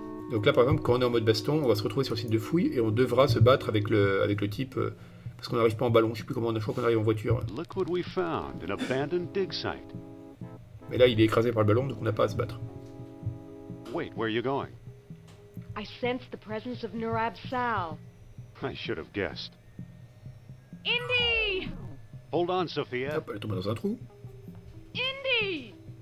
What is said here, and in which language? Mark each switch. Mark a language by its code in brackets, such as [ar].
[fr] Donc là, par exemple, quand on est en mode baston, on va se retrouver sur le site de fouille et on devra se battre avec le type parce qu'on n'arrive pas en ballon. Je sais plus comment on a fait qu'on arrive en voiture. [en] Look what we found, an abandoned dig site. [fr] Mais là, il est écrasé par le ballon, donc on n'a pas à se battre. [en] Wait, where are you going? I sense the presence of Nurab Sal. I should have guessed. Indy! Hold on, Sophia. [fr] Hop, elle tombe dans un trou. [en] Indy!